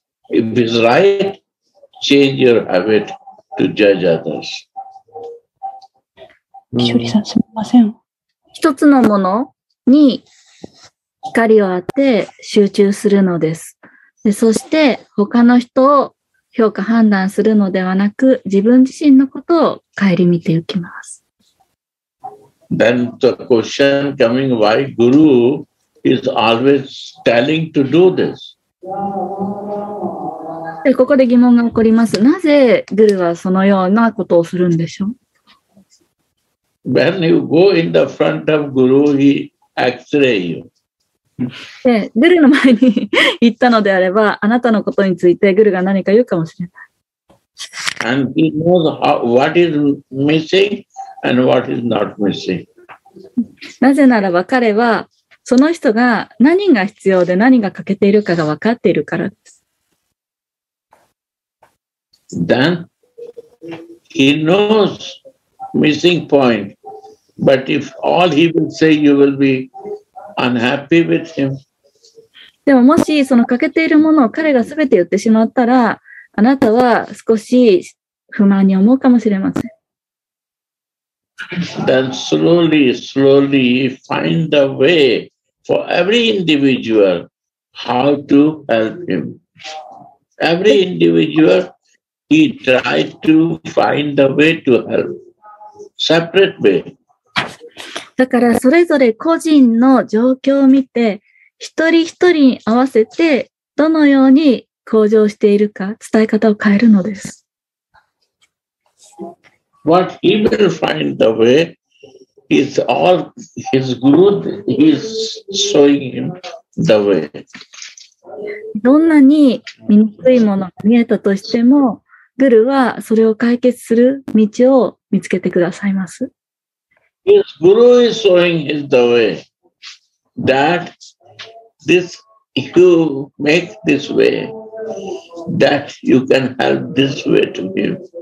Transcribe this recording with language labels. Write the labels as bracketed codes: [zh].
[en] If it's right, change your habit to judge others. [ja] キュリさん、すみません。一つのものに光を当て集中するのです。でそして他の人を評価判断するのではなく自分自身のことを顧みていきます。 [en] Then the question coming why Guru is always telling to do this. [ja] でここで疑問が起こります。なぜグルはそのようなことをするんでしょう [en] ？When you go in the front of Guru, he X-ray you. [ja] グルの前に行ったのであればあなたのことについてグルが何か言うかもしれない。 [en] And he knows what is missing and what is not missing. [ja] なぜならば彼はその人が何が必要で何が欠けているかが分かっているからです。 [en] Then he knows missing point, but if all he will say, you will be. Unhappy with him. [ja] でももしその欠けているものを彼がすべて言ってしまったら、あなたは少し不満に思うかもしれません。 [en] Then slowly, slowly find a way for every individual how to help him. Every individual he tried to find a way to help, separate way. [ja] だからそれぞれ個人の状況を見て、一人一人に合わせてどのように向上しているか、伝え方を変えるのです。 [en] What he will find the way is all his guru is showing him the way. [ja] どんなに見にくいものが見えたとしても、グルはそれを解決する道を見つけてくださいます。 [en] His guru is showing him the way that this you make this way. That you can help this way to him.